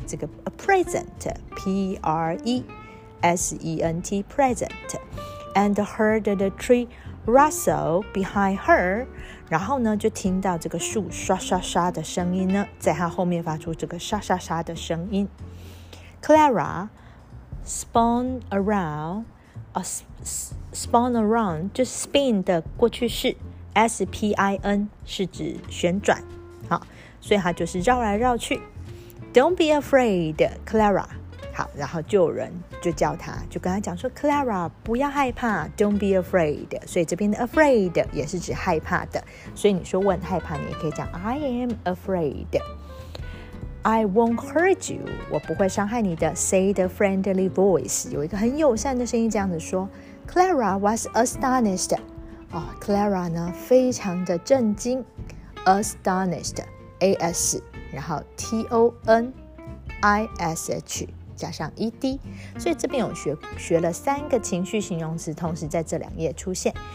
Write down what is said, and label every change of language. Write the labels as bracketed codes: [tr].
[zh] 这个 [en] a present, P-R-E-S-E-N-T, present, and heard the tree rustle behind her. [zh] 然后呢就听到这个树刷刷刷的声音呢，在它后面发出这个刷刷刷的声音。 [en] Clara spun aroundspun around, [zh] 就是 spin 的过去式， S-P-I-N 是指旋转。好，所以它就是绕来绕去。 [en] Don't be afraid, Clara. [zh] 好，然后就有人就叫他，就跟他讲说 Clara 不要害怕， [en] Don't be afraid. [zh] 所以这边的 afraid 也是指害怕的，所以你说我很害怕，你也可以讲 [en] I am afraid. I won't hurt you, [zh] 我不会伤害你的， [en] said a friendly voice. [zh] 有一个很友善的声音这样子说。 [en] Clara was astonished. [zh] Clara 呢非常的震惊。 Astonished, A-S, 然后 T-O-N-I-S-H 加上 E-D, 所以这边有 学了三个情绪形容词同时在这两页出现。